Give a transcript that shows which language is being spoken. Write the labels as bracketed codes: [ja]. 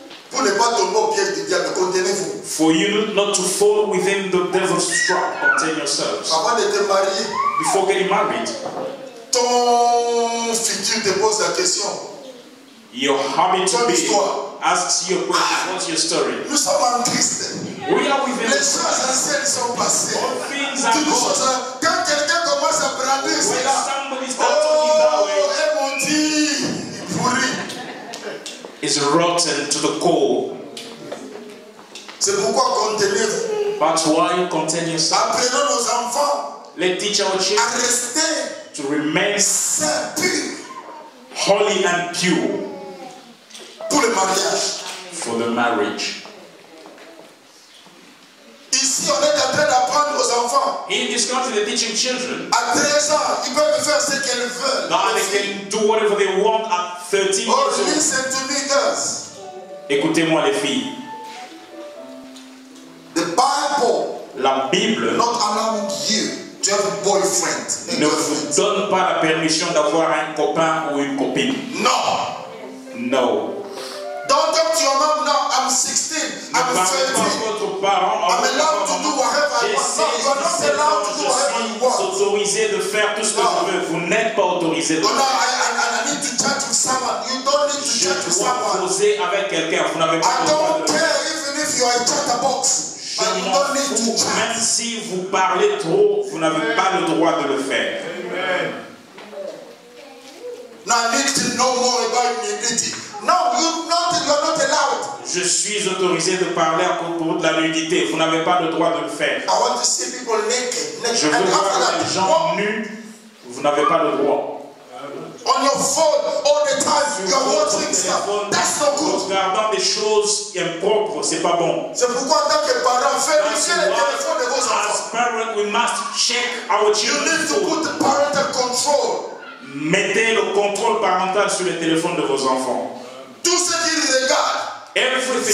[fr] Pour ne pas tomber au piège du diable, contenez-vous. [en] For you not to fall within the devil's trap, contain yourselves. [fr] Avant de te marier, [en] before getting married, [fr] ton futur te pose la question. [en] Your habit to be [fr] histoire. [en] Asks you a question. What's your story? [fr] Nous sommes tristes. [en] We are with [fr] les choses anciennes sont passées. [en] All things are gone. [fr] Quand quelqu'un commence à brader, [en] when [fr] là, [en] somebody starts talking that way, [fr] eh mon Dieu, pourri. [en] Is rotten to the core. [fr] C'est pourquoi contenez-vous. [en] But why contain yourself? [fr] Apprenons nos enfants. [en] Let teach our children. [fr] À rester. [en] To remain. [fr] Saint. [en] Holy and pure. [fr] Pour le mariage. [en] For the marriage. [fr] Ici, on est en train d'apprendre aux enfants. [en] In this country, they're teaching children. [fr] À 13 ans, ils peuvent faire ce qu'ils veulent. [en] Now they can do whatever they want at 13 years old. Oh, listen to me, girls. [fr] Écoutez-moi, les filles. [en] The Bible, [fr] la Bible, [en] not allowing you to have a boyfriend. [fr] Ne vous donne pas la permission d'avoir un copain ou une copine. Non. [en] No. Don't talk to your mom now. I'm 16. [fr] Ne [en] I'm 13. [fr] Pas votre parent, [en] I'm allowed to do whatever I want. You are not allowed to do whatever you want. [fr] Autorisé de faire tout ce que vous voulez. Vous n'êtes pas autorisé. [en] Oh no, I need to chat with someone. You don't need to chat with someone. [fr] Je dois causer avec quelqu'un. Vous n'avez pas le droit. [en] I don't care even if you are a chatterbox. [fr] Même si vous parlez trop, vous n'avez pas le droit de le faire. [en] Now I need to know more about nudity. No, you're not allowed. [fr] Je suis autorisé de parler à propos de la nudité. Vous n'avez pas le droit de le faire. [en] I want to see people naked. [fr] Je veux voir les gens nus. Vous n'avez pas le droit. [en] On your phone all the time, sur you're watching stuff. That's not good. [fr] Regardant des choses impropres, c'est pas bon. C'est pourquoi tant que parents, vérifiez les téléphones de vos enfants. [en] As parents, we must check our children. You need to put the parental control. [fr] Mettez le contrôle parental sur les téléphones de vos enfants. Tout ce qui les regarde. [en] Everything.